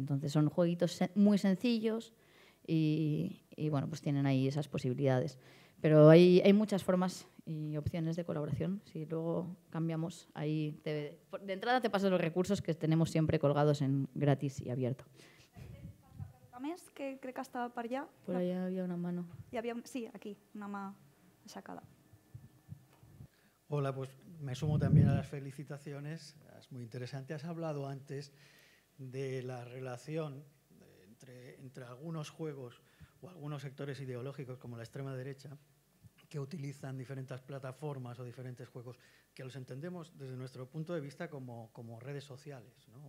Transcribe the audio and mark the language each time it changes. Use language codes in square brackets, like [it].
[es] Entonces son jueguitos muy sencillos y bueno, pues tienen ahí esas posibilidades. Pero hay muchas formas y opciones de colaboración. Si luego cambiamos, ahí de entrada te paso los recursos que tenemos siempre colgados en gratis y abierto. [ca] ¿Més que crec que estava per allà? Per allà hi havia una mano. Hi havia, sí, aquí, una mà aixecada. [es] Hola, pues me sumo también a las felicitaciones. Es muy interesante. Has hablado antes de la relación entre algunos juegos o algunos sectores ideológicos como la extrema derecha que utilizan diferentes plataformas o diferentes juegos que los entendemos desde nuestro punto de vista como redes sociales, ¿no?